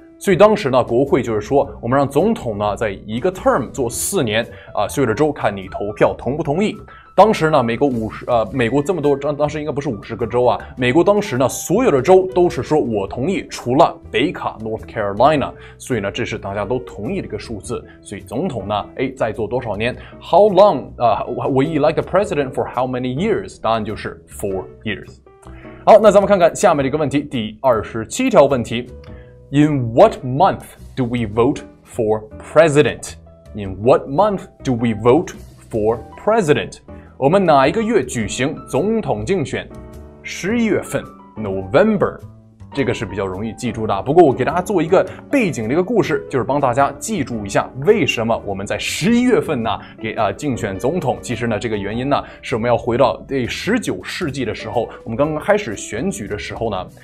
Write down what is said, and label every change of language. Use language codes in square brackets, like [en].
[zh] 所以当时呢，国会就是说，我们让总统呢在一个 term 做四年啊，所有的州看你投票同不同意。当时呢，美国美国这么多，当时应该不是50个州啊，美国当时呢所有的州都是说我同意，除了北卡 North Carolina。所以呢，这是大家都同意的一个数字。所以总统呢，哎，再做多少年 ？ How long？ [en] We elect a president for how many years？ [zh] 答案就是 four years。好，那咱们看看下面的一个问题，第27条问题。 [en] In what month do we vote for president? In what month do we vote for president? [zh] 我们哪一个月举行总统竞选？十一月份 ,November。这个是比较容易记住的。不过我给大家做一个背景的一个故事，就是帮大家记住一下为什么我们在十一月份呢竞选总统。其实呢这个原因呢是我们要回到第19世纪的时候，我们刚刚开始选举的时候呢。